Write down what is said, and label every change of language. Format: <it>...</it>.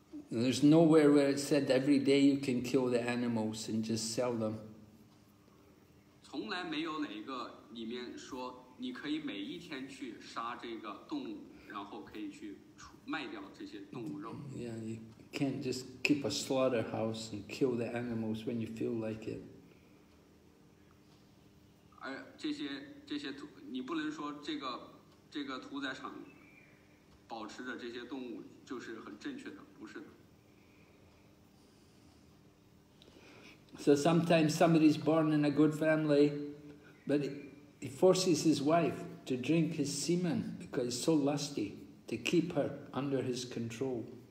<en>There's nowhere where it said every day you can kill the animals and just sell them.</en> <zh>从来没有哪一个里面说, 你可以每一天去杀这个动物, 然后可以去卖掉这些动物肉。</zh> <en>Yeah, you can't just keep a slaughterhouse and kill the animals when you feel like it.</en> <zh>而这些, 你不能说这个, 这个屠宰场保持着这些动物就是很正确的，不是的。</zh> <en>So sometimes somebody's born in a good family, but he forces his wife to drink his semen because he's so lusty to keep her under his control.</en>